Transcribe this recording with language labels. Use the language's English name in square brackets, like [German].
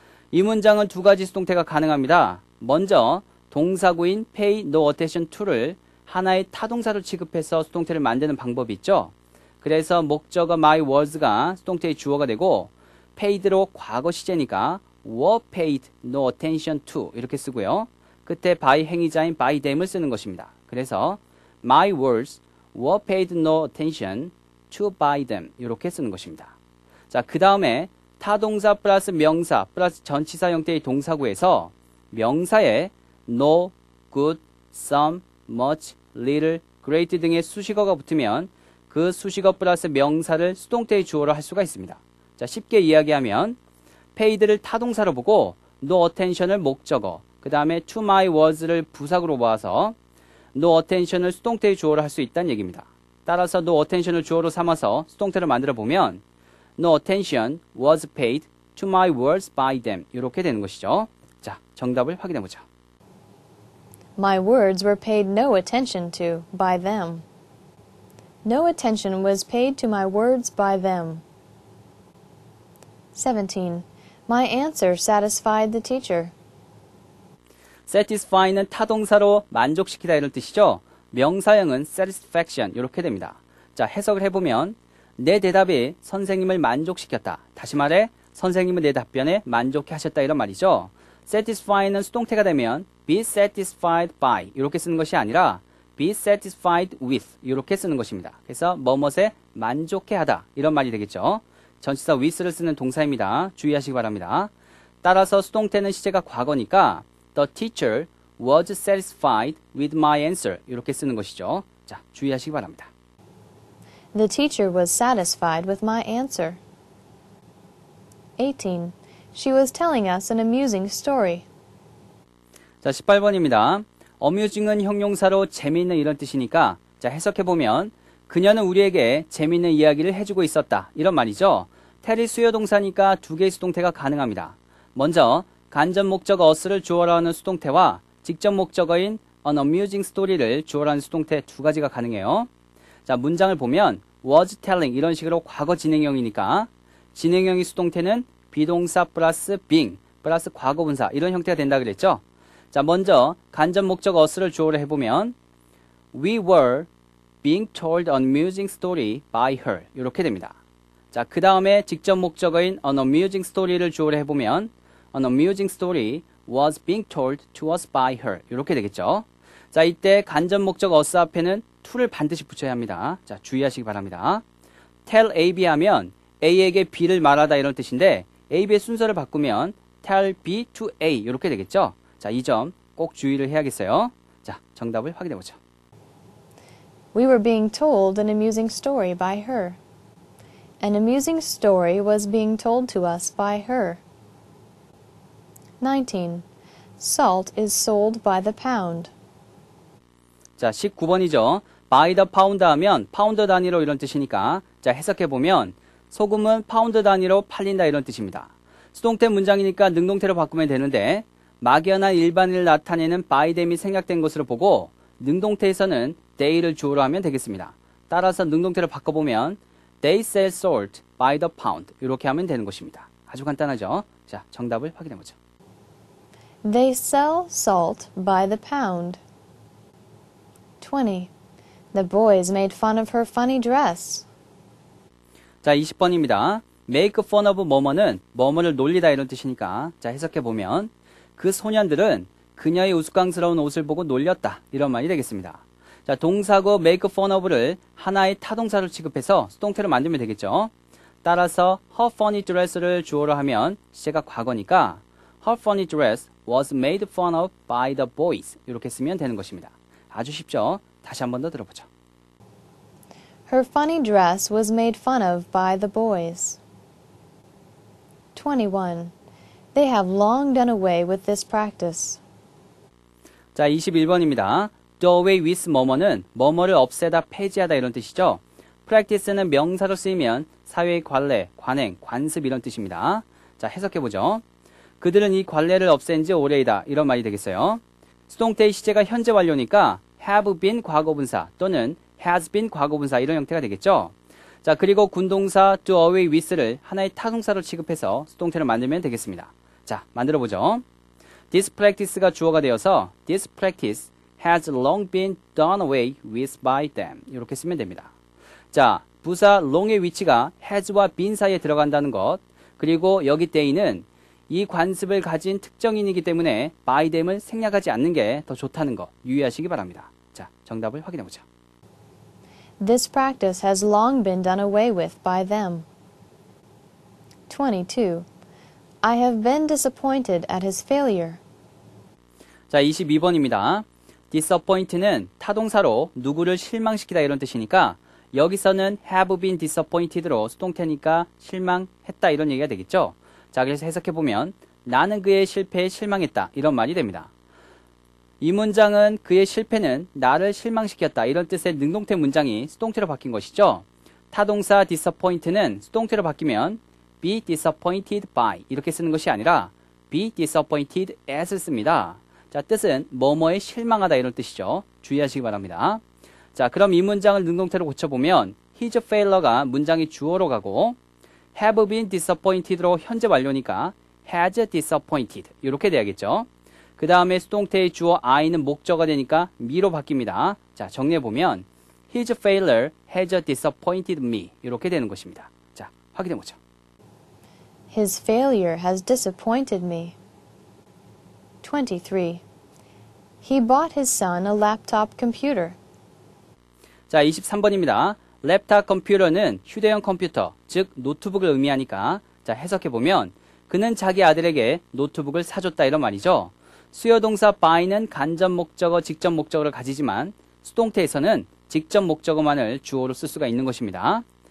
[Korean] 이 문장은 두 가지 수동태가 가능합니다. 먼저 동사구인 [English] pay no attention to [Korean] 를 하나의 타동사로 취급해서 수동태를 만드는 방법이 있죠. 그래서 목적어 [English] my was [Korean] 가 수동태의 주어가 되고 paid로 과거 시제니까 [English] were paid no attention to [Korean] 이렇게 쓰고요. 끝에 by 행위자인 [English] by them [Korean] 을 쓰는 것입니다. 그래서 [English] my words were paid no attention to by them [Korean] 이렇게 쓰는 것입니다. 자, 그 다음에 타동사 플러스 명사 플러스 전치사 형태의 동사구에서 명사에 no, good, some, much, little, great 등의 수식어가 붙으면 그 수식어 플러스 명사를 수동태의 주어로 할 수가 있습니다. 자, 쉽게 이야기하면 paid를 타동사로 보고 [English] no attention [Korean] 을 목적어, 그 다음에 [English] to my was [Korean] 를 부사구로 모아서 no attention을 수동태의 주어로 할 수 있다는 얘기입니다. 따라서 [English] no attention [Korean] 을 주어로 삼아서 수동태를 만들어 보면 [English] no attention was paid to my words by them [Korean] 이렇게 되는 것이죠. 자, 정답을 확인해 보죠. [English] My words were paid no attention to by them. No attention was paid to my words by them. 17. My answer satisfied the teacher. [Korean] Satisfy는 타동사로 만족시키다 이런 뜻이죠. 명사형은 satisfaction 이렇게 됩니다. 자, 해석을 해보면 내 대답이 선생님을 만족시켰다. 다시 말해 선생님은 내 답변에 만족해 하셨다 이런 말이죠. Satisfy는 수동태가 되면 [English] be satisfied by [Korean] 이렇게 쓰는 것이 아니라 [English] be satisfied with [Korean] 이렇게 쓰는 것입니다. 그래서 뭐뭇에 만족해 하다 이런 말이 되겠죠. 전치사 with를 쓰는 동사입니다. 주의하시기 바랍니다. 따라서 수동태는 시제가 과거니까 [English] the teacher was satisfied with my answer [Korean] 이렇게 쓰는 것이죠. 자, 주의하시기 바랍니다. [English] The teacher was satisfied with my answer. 18. She was telling us an amusing story. [Korean] 자, 18번입니다. Amusing은 형용사로 재미있는 이런 뜻이니까 자, 해석해보면 그녀는 우리에게 재미있는 이야기를 해주고 있었다 이런 말이죠. tell이 수요동사니까 두 개의 수동태가 가능합니다. 먼저 간접 목적어 us를 주어로 하는 수동태와 직접 목적어인 [English] an amusing story [Korean] 를 주어로 하는 수동태 두 가지가 가능해요. 자, 문장을 보면 [English] was telling [Korean] 이런 식으로 과거 진행형이니까 진행형의 수동태는 비동사 플러스 being 플러스 과거분사 이런 형태가 된다 그랬죠. 자, 먼저 간접 목적 us를 주어로 해보면 [English] we were being told an amusing story by her [Korean] 이렇게 됩니다. 자, 그 다음에 직접 목적어인 [English] an amusing story [Korean] 를 주어로 해보면 [English] an amusing story was being told to us by her [Korean] 이렇게 되겠죠. 자, 이때 간접 목적 us 앞에는 to를 반드시 붙여야 합니다. 자, 주의하시기 바랍니다. [English] tell A, B [Korean] 하면 A에게 B를 말하다 이런 뜻인데 A, B의 순서를 바꾸면 [English] tell B to A [Korean] 이렇게 되겠죠. 자, 이 점 꼭 주의를 해야겠어요. 자, 정답을 확인해 보죠. [English] We were being told an amusing story by her. An amusing story was being told to us by her. 19. Salt is sold by the pound. [Korean] 자, 19번이죠. [English] By the pound [Korean] 하면 파운드 단위로 이런 뜻이니까 자, 해석해 보면 소금은 파운드 단위로 팔린다 이런 뜻입니다. 수동태 문장이니까 능동태로 바꾸면 되는데 막연한 일반을 나타내는 [English] by them [Korean] 이 생략된 것으로 보고 능동태에서는 they를 주어로 하면 되겠습니다. 따라서 능동태로 바꿔보면 [English] they sell salt by the pound [Korean] 이렇게 하면 되는 것입니다. 아주 간단하죠? 자, 정답을 확인해 보죠. [English] They sell salt by the pound. 20. The boys made fun of her funny dress. [Korean] 자, 20번입니다. [English] make fun of [Korean] 뭐뭐는 뭐뭐를 놀리다 이런 뜻이니까 자, 해석해보면 그 소년들은 그녀의 우스꽝스러운 옷을 보고 놀렸다 이런 말이 되겠습니다. 자, 동사구 [English] make fun of [Korean] 를 하나의 타동사로 취급해서 수동태로 만들면 되겠죠. 따라서 [English] her funny dress [Korean] 를 주어로 하면 시제가 과거니까 [English] her funny dress was made fun of by the boys [Korean] 이렇게 쓰면 되는 것입니다. 아주 쉽죠? 다시 한 번 더 들어보죠. [English] Her funny dress was made fun of by the boys. 21. They have long done away with this practice. [Korean] 자, 21번입니다. [English] Do away with [Korean] 뭐뭐는 뭐뭐를 없애다, 폐지하다 이런 뜻이죠. Practice는 명사로 쓰이면 사회의 관례, 관행, 관습 이런 뜻입니다. 자, 해석해보죠. 그들은 이 관례를 없앤 지 오래이다 이런 말이 되겠어요. 수동태의 시제가 현재 완료니까 [English] have been [Korean] 과거분사 또는 [English] has been [Korean] 과거분사 이런 형태가 되겠죠. 자, 그리고 군동사 [English] do away with [Korean] 를 하나의 타동사로 취급해서 수동태를 만들면 되겠습니다. 자, 만들어보죠. [English] This practice [Korean] 가 주어가 되어서 [English] this practice has long been done away with by them [Korean] 이렇게 쓰면 됩니다. 자, 부사 long의 위치가 has와 been 사이에 들어간다는 것, 그리고 여기 day는 이 관습을 가진 특정인이기 때문에 [English] by them [Korean] 을 생략하지 않는 게 더 좋다는 거 유의하시기 바랍니다. 자, 정답을 확인해 보죠. [English] This practice has long been done away with by them. 22. I have been disappointed at his failure. [Korean] 자, 22번입니다. Disappoint는 타동사로 누구를 실망시키다 이런 뜻이니까 여기서는 [English] have been disappointed [Korean] 로 수동태니까 실망했다 이런 얘기가 되겠죠. 자, 그래서 해석해 보면 나는 그의 실패에 실망했다 이런 말이 됩니다. 이 문장은 그의 실패는 나를 실망시켰다 이런 뜻의 능동태 문장이 수동태로 바뀐 것이죠. 타동사 disappoint는 수동태로 바뀌면 [English] be disappointed by [Korean] 이렇게 쓰는 것이 아니라 [English] be disappointed as [Korean] 을 씁니다. 자, 뜻은 뭐뭐에 실망하다 이런 뜻이죠. 주의하시기 바랍니다. 자, 그럼 이 문장을 능동태로 고쳐보면 [English] his failure [Korean] 가 문장이 주어로 가고 [English] have been disappointed [Korean] 로 현재 완료니까 [English] has disappointed [Korean] 이렇게 돼야겠죠. 그 다음에 수동태의 주어 I는 목적어가 되니까 me로 바뀝니다. 자, 정리해보면 [English] his failure has disappointed me [Korean] 이렇게 되는 것입니다. 자, 확인해보죠. [English] His failure has disappointed me. 23. He bought his son a laptop computer. [Korean] 자, 23번입니다. 랩탑 컴퓨터는 휴대용 컴퓨터, 즉 노트북을 의미하니까 자, 해석해보면 그는 자기 아들에게 노트북을 사줬다 이런 말이죠. 수요동사 buy는 간접 목적어, 직접 목적어를 가지지만 수동태에서는 직접 목적어만을 주어로 쓸 수가 있는 것입니다.